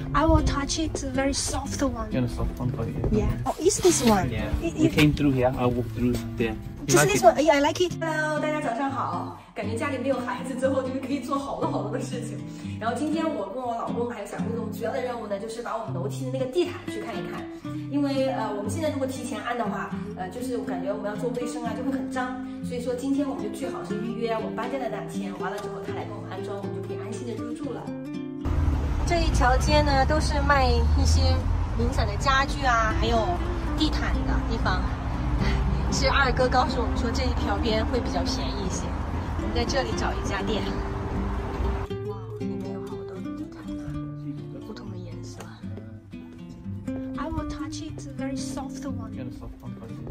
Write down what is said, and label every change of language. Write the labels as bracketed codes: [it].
[en] I will touch it, a very soft one. You want a soft one for you? Yeah. Oh, is this one? Yeah. You came through here, I walked through there. Just this one. Yeah, I like it. [zh] Hello, 大家早上好。感觉家里没有孩子之后，就是可以做好多好多的事情。然后今天我跟我老公还有小姑子，主要的任务呢，就是把我们楼梯的那个地毯去看一看。因为我们现在如果提前按的话，就是我感觉我们要做卫生啊，就会很脏。所以说今天我们就最好是预约我搬家的那天，完了之后他来给我们安装，我们就可以安心的入住了。这一条街呢，都是卖一些零散的家具啊，还有地毯的地方。是二哥告诉我们说，这一条边会比较便宜一些。我们在这里找一家店。哇，里面有好多地毯啊，不同的颜色。 [en] I will touch it, a very soft one. You want a soft one for you?